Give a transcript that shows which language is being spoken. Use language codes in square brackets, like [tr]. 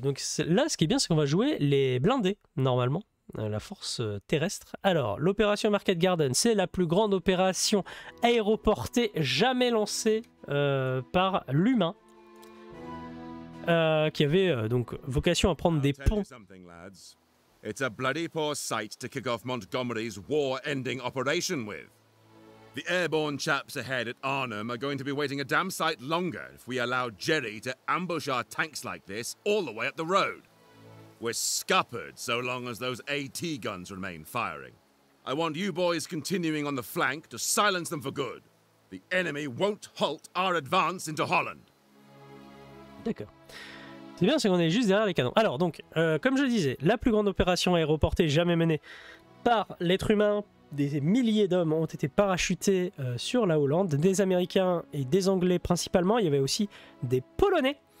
[fr] Donc là, ce qui est bien, c'est qu'on va jouer les blindés, normalement. La force terrestre. Alors, l'opération Market Garden, c'est la plus grande opération aéroportée jamais lancée par l'humain, qui avait donc vocation à prendre des ponts. [en] It's a bloody poor sight to kick off Montgomery's war-ending operation with. The airborne chaps ahead at Arnhem are going to be waiting a damn sight longer if we allow Jerry to ambush our tanks like this all the way up the road. We're scuppered so long as those AT guns remain firing. I want you boys continuing on the flank to silence them for good. The enemy won't halt our advance into Holland. [fr] D'accord. C'est bien, c'est qu'on est juste derrière les canons. Alors, donc, comme je le disais, la plus grande opération aéroportée jamais menée par l'être humain. Des milliers d'hommes ont été parachutés sur la Hollande. Des Américains et des Anglais principalement. Il y avait aussi des Polonais.